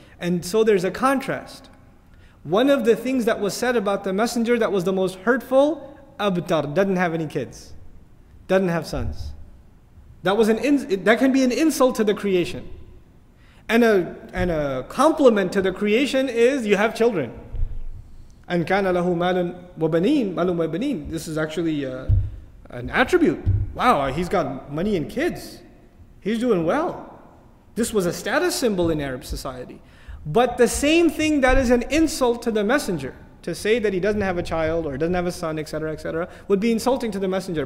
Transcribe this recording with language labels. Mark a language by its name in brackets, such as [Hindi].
[English] And so there's a contrast. One of the things that was said about the messenger that was the most hurtful, Abtar, doesn't have any kids. Doesn't have sons. That can be an insult to the creation. And a compliment to the creation is you have children. And [Arabic] كَانَ لَهُ مَالٌ وَبَنِينَ. [English] This is actually an attribute. Wow, he's got money and kids. He's doing well. This was a status symbol in Arab society. But the same thing that is an insult to the messenger, to say that he doesn't have a child or doesn't have a son, etc., etc., would be insulting to the messenger.